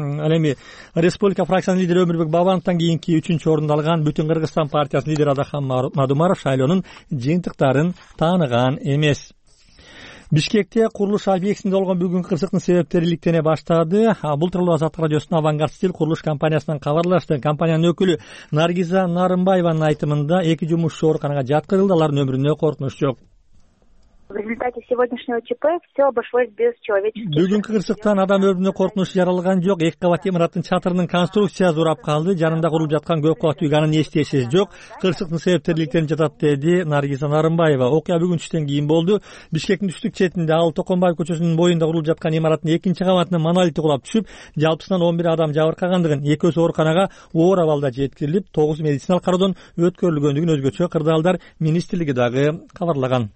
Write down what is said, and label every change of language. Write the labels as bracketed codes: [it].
[ky] Ал эми республика фракциянын лидери Өмүрбек Бабановтон кийинки 3-орунду алган Бүтүн Кыргызстан партиясынын лидери Адахан Мадумаров шайлоонун жыйынтыктарын тааныган эмес. Бишкекте курулуш объектисинде болгон бүгүнкү кырсыктын себептери иликтене баштады. Бул тууралуу Азаттык радиосуна Авангард Стил курулуш компаниясынан кабарлашты. Компаниянын өкүлү Наргиза Нарымбаеванын айтымында 2 жумушчу ооруканага жаткырылды, алардын өмүрүнө коркунуч жок. [ru] В результате сегодняшнего ЧП все обошлось без человеческих. [ky] Бүгүнкү кырсыктан адам өмүрүнө коркунуч жаралган жок. Эки кабат имараттын чатырынын конструкциясы урап калды. Жанында курулуп жаткан көп кабаттуу үйгөнүн эч тиешеси жок. Кырсыктын себептери иликтенип жатат, деди Наргиза Нарымбаева. Окуя бүгүн түштөн кийин болду. Бишкектин түштүк четинде Ал Токонбаев көчөсүнүн боюнда курулуп жаткан имараттын 2-кабатына монолит кулап түшүп, жалпысынан 11 адам жабыркагандыгын, экөөсү ооруканага оор абалда жеткирилип, 9 медициналык кароодон өткөрүлгөндүгүн өзгөчө кырдаалдар министрлиги дагы кабарлаган.